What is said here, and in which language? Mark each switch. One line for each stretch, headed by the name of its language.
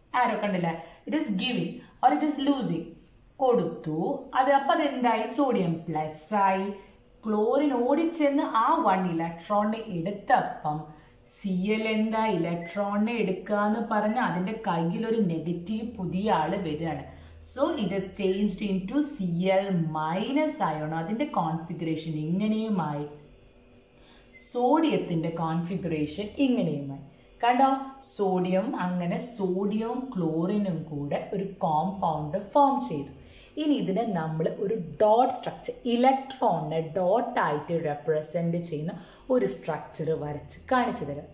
Malayalam: ആരോ കണ്ടില്ല,
English: It is giving or it is losing.
Malayalam: കൊടുത്തു അത്, അപ്പൊ അതെന്തായി, സോഡിയം പ്ലസ് ആയി. ക്ലോറിൻ ഓടിച്ചെന്ന് ആ വൺ ഇലക്ട്രോണിനെ എടുത്തപ്പം സി എൽ എന്താ ഇലക്ട്രോണിനെ എടുക്കാന്ന് പറഞ്ഞ് അതിൻ്റെ കയ്യിൽ ഒരു നെഗറ്റീവ് പുതിയ ആള് വരികയാണ്.
English: So it has changed into Cl minus ion.
Malayalam: അതിൻ്റെ കോൺഫിഗറേഷൻ ഇങ്ങനെയുമായി. സോഡിയത്തിൻ്റെ കോൺഫിഗറേഷൻ ഇങ്ങനെയുമായി. കണ്ടോ, സോഡിയം, അങ്ങനെ സോഡിയവും ക്ലോറിനും കൂടെ ഒരു കോമ്പൗണ്ട് ഫോം ചെയ്തു. ഇനി ഇതിനെ നമ്മൾ ഒരു ഡോട്ട് സ്ട്രക്ചർ, ഇലക്ട്രോണിനെ ഡോട്ടായിട്ട് റെപ്രസെൻ്റ് ചെയ്യുന്ന ഒരു സ്ട്രക്ചർ വരച്ച് കാണിച്ചു തരാം.